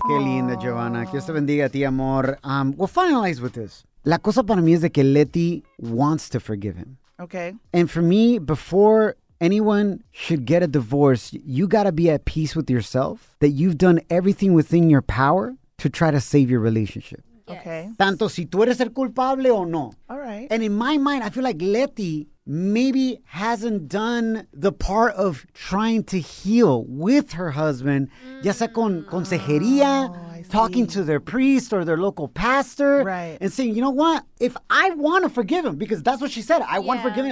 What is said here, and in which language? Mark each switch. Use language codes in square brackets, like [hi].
[es] Qué linda, Giovanna. Dios te bendiga a ti, amor. [en] We'll finalize with this. [es] La cosa para mí es de que Leti [en] wants to forgive him. Okay. And for me, before anyone should get a divorce, you got to be at peace with yourself that you've done everything within your power to try to save your relationship. Okay. [es] Tanto si tú eres el culpable o no. [en] All right. And in my mind, I feel like Leti maybe hasn't done the part of trying to heal with her husband, [es] ya sea con consejería, [en] talking to their priest or their local pastor, right, and saying, you know what? If I want to forgive him, because that's what she said, I want forgiving.